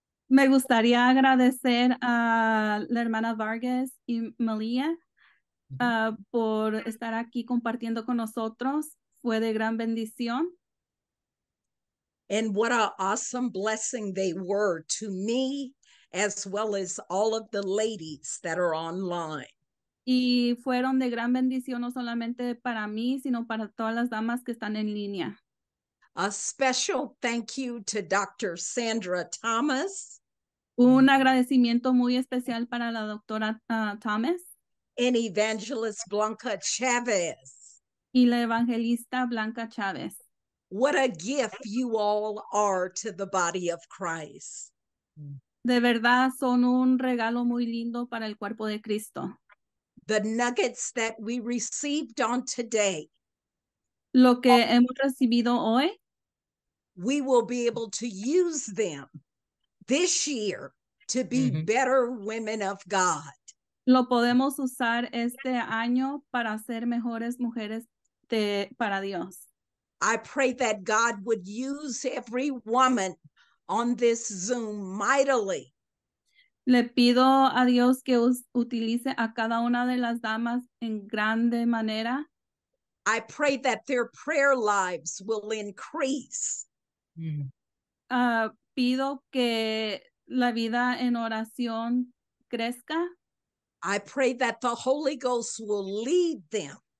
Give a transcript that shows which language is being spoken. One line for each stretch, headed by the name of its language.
Spanish: Me gustaría agradecer a la hermana Vargas y Malia por estar aquí compartiendo con nosotros. Fue de gran bendición.
English: And what an awesome blessing they were to me, as well as all of the ladies that are online.
Spanish: Y fueron de gran bendición no solamente para mí, sino para todas las damas que están en línea.
English: A special thank you to Dr. Sandra Thomas.
Spanish: Un agradecimiento muy especial para la doctora Thomas.
English: And Evangelist Blanca Chavez.
Spanish: Y la evangelista Blanca Chavez.
English: What a gift you all are to the body of Christ.
Spanish: De verdad, son un regalo muy lindo para el cuerpo de Cristo.
English: The nuggets that we received on today.
Spanish: Lo que hemos recibido hoy.
English: We will be able to use them this year to be better women of God.
Spanish: Lo podemos usar este año para ser mejores mujeres para Dios.
English: I pray that God would use every woman on this Zoom mightily.
Spanish: Le pido a Dios que utilice a cada una de las damas en grande manera.
English: I pray that their prayer lives will increase.
Spanish: Pido que la vida en oración crezca.
English: I pray that the Holy Ghost will lead them.